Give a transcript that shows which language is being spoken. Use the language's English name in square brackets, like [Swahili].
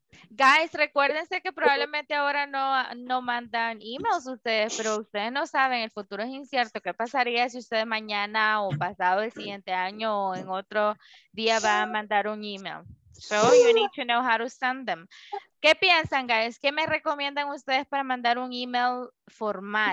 [Spanish] Guys, recuérdense que probablemente ahora no mandan emails ustedes, pero ustedes no saben, el futuro es incierto. ¿Qué pasaría si ustedes mañana o pasado el siguiente año o en otro día va a mandar un email? [English] So you need to know how to send them. [Spanish] ¿Qué piensan, guys? ¿Qué me recomiendan ustedes para mandar un email formal?